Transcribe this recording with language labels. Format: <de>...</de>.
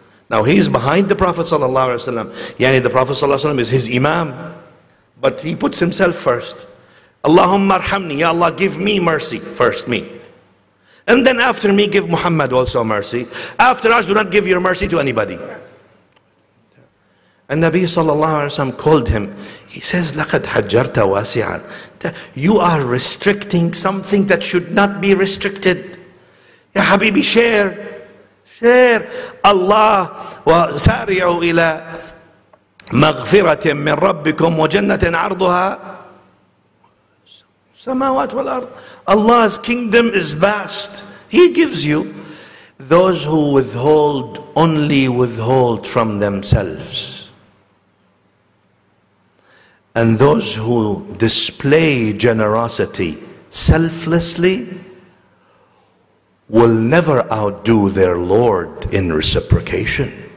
<en>Now he is behind the Prophet sallallahu alayhi wa sallam. Yani the Prophet sallallahu alayhi wa sallam is his imam. But he puts himself first.</en> <ar>Allahumma arhamni, Ya Allah,</ar> <en>give me mercy, first me. And then after me, give Muhammad also mercy. After us, do not give your mercy to anybody. And Nabi sallallahu alayhi wa sallam called him. He says,</en> <ar>لَقَدْ حَجَّرْتَ وَاسِعًا.</ar> <en>You are restricting something that should not be restricted. Ya Habibi, share. Share.</en> <ar>Allah وَسَارِعُوا إِلَى مَغْفِرَةٍ مِّن رَبِّكُمْ وَجَنَّةٍ عَرْضُهَا سَمَاوَاتْ وَالْأَرْضِ.</ar> <en>Allah's kingdom is vast. He gives you. Those who withhold only withhold from themselves. And those who display generosity selflessly will never outdo their Lord in reciprocation.</en>